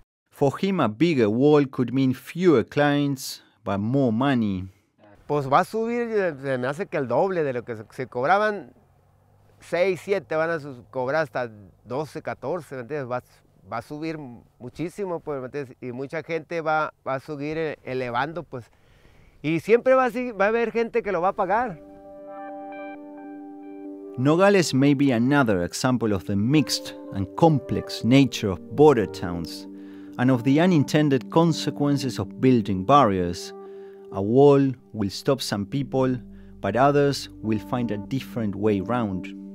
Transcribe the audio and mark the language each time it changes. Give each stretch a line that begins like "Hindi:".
English: For him, a bigger wall could mean fewer clients, but more money.
Spanish: Pues va a subir, se me hace que el doble de lo que se cobraban. 6, 7 van a cobrar hasta 12, 14, ¿me entiendes? Va a subir muchísimo, pues, ¿me entiendes? Y mucha gente va a seguir elevando, pues. Y siempre va a haber gente que lo va a pagar.
English: Nogales may be another example of the mixed and complex nature of border towns and of the unintended consequences of building barriers. A wall will stop some people, but others will find a different way round.